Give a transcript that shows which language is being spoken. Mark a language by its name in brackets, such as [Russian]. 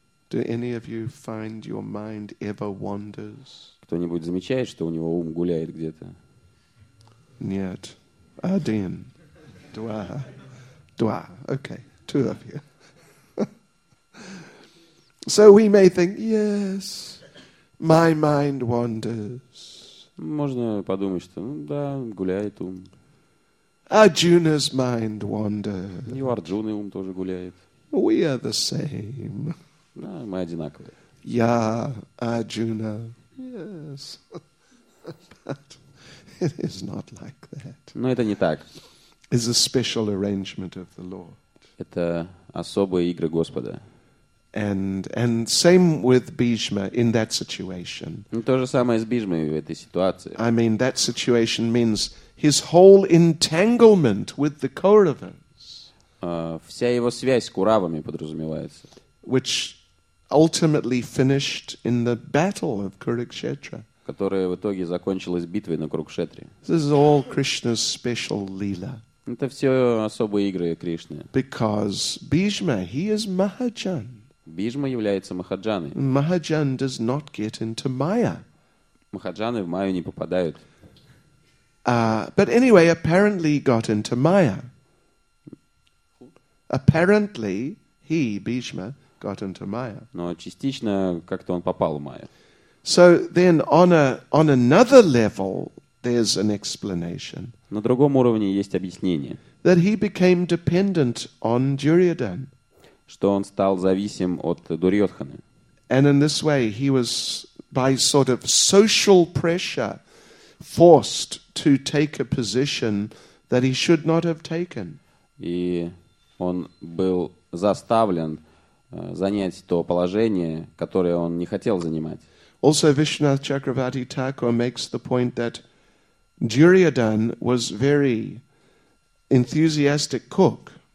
[English] Do any of you find your mind ever wanders? [Russian] Кто-нибудь замечает, что у него ум гуляет где-то? Нет. Один. Два. Два. Okay. [English] Two of you. So we may think, yes, my mind wanders. [Russian] Можно подумать, что, ну да, гуляет ум. [English] Arjuna's mind wanders. [Russian] И у Арджуны ум тоже гуляет. [English] We are the same. [Russian] Да, мы одинаковые. Я, Арджуна. Yes. But it is not like that. Но это не так. [English] It's a special arrangement of the Lord. [Russian] Это особые игры Господа. [English] And same with Bhishma in that situation. [Russian] То же самое с Бхишмой в этой ситуации. [English] I mean, that situation means his whole entanglement with the Kauravas. [Russian] Вся его связь с Куравами подразумевается. [English] Which ultimately finished in the battle of Kurukshetra. [Russian] Которая в итоге закончилась битвой на Курукшетре. [English] This is all Krishna's special lila. [Russian] Это все особые игры Кришны. [English] Because Bhishma, he is Mahajan. [Russian] Бхишма является Махаджаной. [English] Mahajan does not get into Maya. [Russian] Махаджаны в Майю не попадают. [English] But anyway, apparently he got into Maya. Apparently he, Bhishma, got into Maya. [Russian] Но частично как-то он попал в Майю. [English] So then on another level there's an explanation. [Russian] На другом уровне есть объяснение. [English] That he became dependent on Duryodhan. [Russian] Что он стал зависим от Дурьотханы. [English] And in this way he was by sort of social pressure forced to take a position that he should not have taken. [Russian] И он был заставлен занять то положение, которое он не хотел занимать. [English] Also Vishwanath Chakravarti Thakur makes the point that Duryodhan was very enthusiastic cook.